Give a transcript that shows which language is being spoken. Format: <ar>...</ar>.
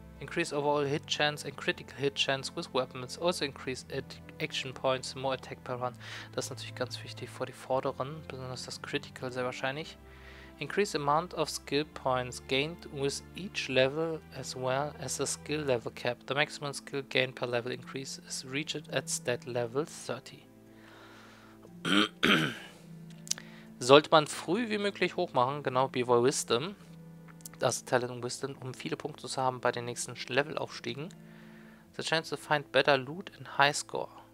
<en>Increase Overall Hit Chance and Critical Hit Chance with Weapons. Also increase Action Points, more Attack per Run.</en> <de>Das ist natürlich ganz wichtig für die Vorderen. Besonders das Critical sehr wahrscheinlich.</de> <en>Increase amount of skill points gained with each level as well as the skill level cap. The maximum skill gain per level increase is reached at stat level 30.</en> <de>Sollte man früh wie möglich hochmachen, genau wie bei Wisdom, das Talent und Wisdom, um viele Punkte zu haben bei den nächsten Levelaufstiegen.</de> <en>The chance to find better loot in high score.</en>